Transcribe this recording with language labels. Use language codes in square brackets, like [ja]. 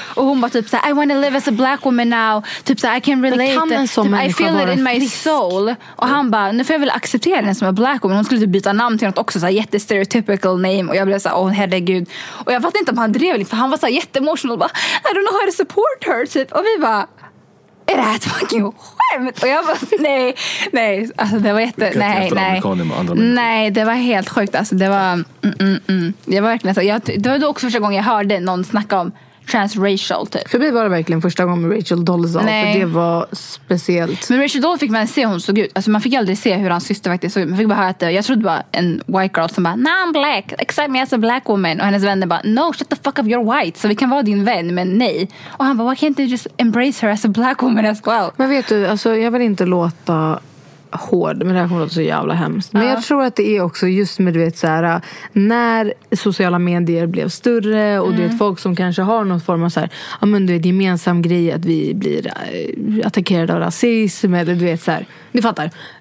[sv] Och hon bara typ så här, [en] I want to live as a black woman now. [sv] Typ så här, [en] I can relate. [sv] Typ, [en] I feel it in my soul. [sv] Och han bara, nu får jag väl acceptera henne som en [en] black woman. [sv] Hon skulle typ byta namn till något också, såhär jättestereotypical name. Och jag blev såhär, åh herregud. Och jag fattade inte om han drev lite, för han var såhär jätteemotional. [en] Bara, I don't know how to support her typ. [sv] Och vi bara, är det här ett fucking skämt? Och jag bara, nej. Alltså det var jätte, nej. Nej, det var helt sjukt. Alltså det var, Jag var verkligen såhär, det var då också första gången jag hörde någon snacka om transracial typ. För mig var det verkligen första gången med Rachel Dolezal. Nej. För det var speciellt. Men Rachel Dolezal fick man se hon såg ut. Alltså man fick aldrig se hur hans syster faktiskt såg ut. Man fick bara höra att jag trodde bara en [en] white girl [sv] som bara [en] nah, I'm black, accept me as a black woman. [sv] Och hennes vänner bara [en] no, shut the fuck up, you're white. [sv] Så vi kan vara din vän, men nej. Och han bara, [en] why can't you just embrace her as a black woman as well? [sv] Men vet du, alltså jag vill inte låta hård, men det här kommer att låta så jävla hemskt. Men jag tror att det är också just med, du vet, så här, när sociala medier blev större och du vet, folk som kanske har någon form av så här, ja men du vet, gemensam grej att vi blir attackerade av rasism eller du vet så här, ni fattar.